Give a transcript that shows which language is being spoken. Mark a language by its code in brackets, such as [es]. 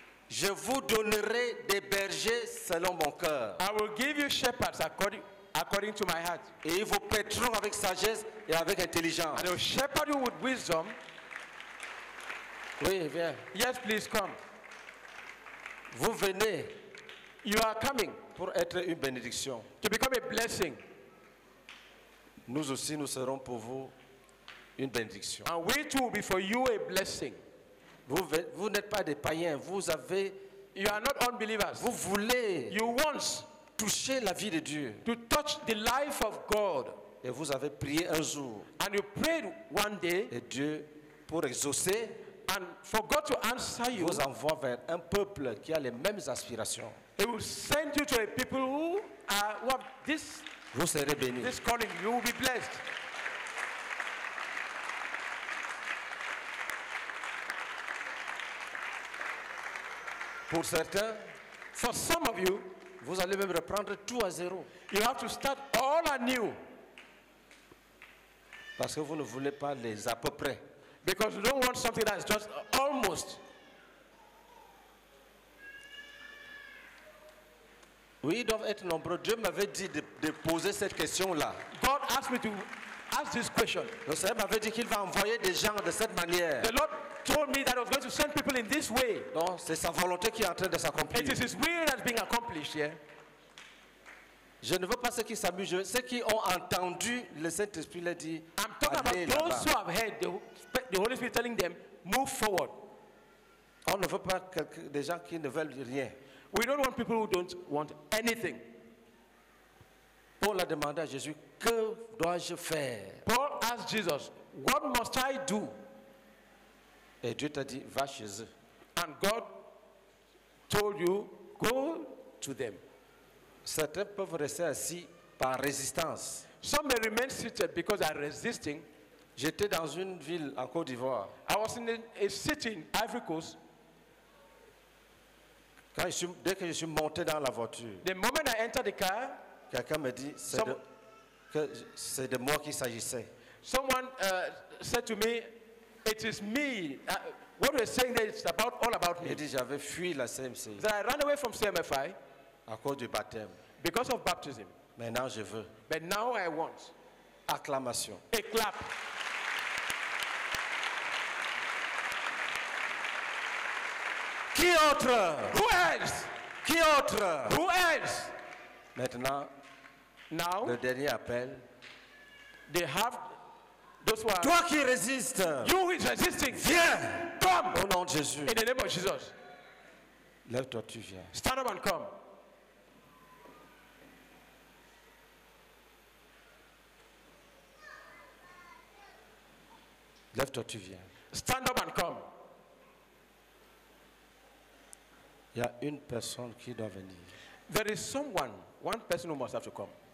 [fr] je vous donnerai des bergers selon mon cœur. [en] I will give you shepherds according to my heart. [fr] Et ils vous paîtront avec sagesse et avec intelligence. [en] And they will shepherd you with wisdom. [fr] Oui, viens. [en] Yes, please come. [fr] Vous venez. [en] You are coming. [fr] Pour être une bénédiction. [en] To become a blessing. [fr] Nous aussi, nous serons pour vous. Une bénédiction. [en] And we too will be for you a blessing. [fr] Vous n'êtes pas des païens. Vous avez. [en] You are not unbelievers. [fr] Vous voulez. [en] You want [fr] toucher la vie de Dieu. [en] To touch the life of God. [fr] Et vous avez prié un jour. [en] And you prayed one day. [fr] Et Dieu pour exaucer. [en] And for God to answer you. [fr] Vous envoie vers un peuple qui a les mêmes aspirations. [en] He will send you to a people who have this. [fr] Vous serez bénis. [en] This calling, you will be blessed. [fr] Pour certains, [en] for some of you, [fr] vous allez même reprendre tout à zéro. [en] You have to start all anew. [fr] Parce que vous ne voulez pas les à peu près. [en] Because you don't want something that is just almost. [fr] Oui, ils doivent être nombreux. Dieu m'avait dit de poser cette question-là. [en] God asked me to ask this question. [fr] Le Seigneur m'avait dit qu'il va envoyer des gens de cette manière. [en] The Lord told me that I was going to send people in this way. [fr] Non, c'est sa volonté qui est en train de s'accomplir. [en] It is his will that's being accomplished here. Yeah? [fr] Je ne veux pas ceux qui s'amusent, ceux qui ont entendu le Saint-Esprit leur dire. [en] I'm talking about those [fr] là-bas. [en] Who have heard the Holy Spirit telling them, move forward. [fr] On ne veut pas des gens qui ne veulent rien. [en] We don't want people who don't want anything. [fr] Paul a demandé à Jésus, que dois-je faire? [en] Paul asked Jesus, what must I do? [fr] Et Dieu t'a dit, va chez eux. [en] And God told you, go to them. [fr] Certains peuvent rester assis par résistance. [en] Some may remain seated because they are resisting. [fr] J'étais dans une ville en Côte d'Ivoire. [en] I was in a city in Ivory Coast. [fr] Dès que je suis monté dans la voiture, [en] the moment I entered the car, [fr] quelqu'un me dit que c'est de moi qu'il s'agissait. [en] Someone said to me, it is me. What you're saying there is about all about me. [fr] Il dit j'avais fui la CMC. [en] That I ran away from CMFI. [fr] À cause du baptême. [en] Because of baptism. [fr] Maintenant je veux. [en] But now I want. [fr] Acclamation. [en] A clap. [fr] Qui autre? [en] Who else? [fr] Qui autre? [en] Who else? [fr] Maintenant. [en] Now. [fr] Le dernier appel. [en] They have those who are. [fr] Toi qui résistes. [en] You who is resisting. [fr] Viens. [en] Come. [fr] Au nom de Jésus. [en] In the name of Jesus. [fr] Lève-toi, tu viens. [en] Stand up and come. [fr] Lève-toi, tu viens. [en] Stand up and come. [fr] Il y a une personne qui doit venir. [en] There is someone, one person who must have to come.